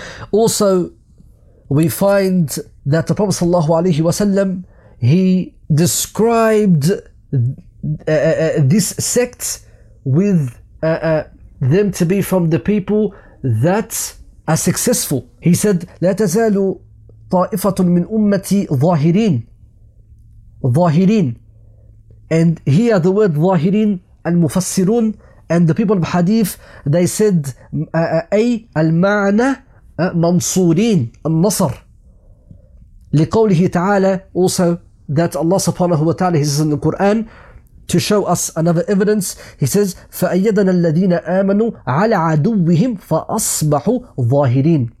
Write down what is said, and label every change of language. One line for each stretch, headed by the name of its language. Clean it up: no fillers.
English: Also, we find that the Prophet sallallahu alayhi wa sallam, he described this sect with them to be from the people that are successful. He said,
Arabic: لَا تَزَالُ طَائِفَةٌ مِّنْ أُمَّتِي ظَاهِرِينَ.
English: And here the word
Arabic: ظاهرين المفسرون,
English: and the people of Hadith, they said
Arabic: المعنى منصورين النصر لقوله تعالى.
English: Also that Allah subhanahu wa ta'ala, he says in the Quran, to show us another evidence, he says
Arabic: فأيدنا الذين آمنوا على عدوهم فأصبحوا ظاهرين.